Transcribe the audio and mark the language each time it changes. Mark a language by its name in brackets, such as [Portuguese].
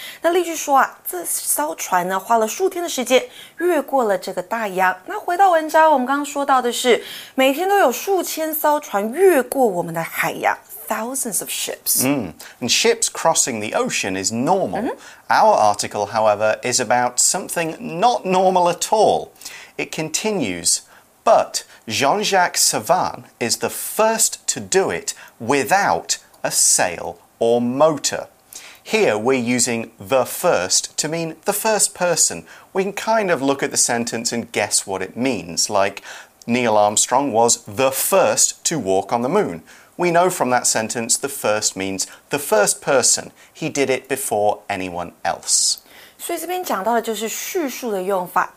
[Chinese] 那例句说啊，这艘船呢花了数天的时间越过了这个大洋。那回到文章，我们刚刚说到的是，每天都有数千艘船越过我们的海洋。 [English] Thousands of ships. Mm. And ships crossing the ocean is normal. Mm-hmm. Our article, however, is about something not normal at all. It continues, but Jean-Jacques Savan is the first to do it without a sail or motor. Here, we're using the first to mean the first person. We can kind of look at the sentence and guess what it means, like Neil Armstrong was the first to walk on the moon. We know from that sentence the first means the first person. He did it before anyone else. [Chinese] 所以这边讲到的就是叙述的用法。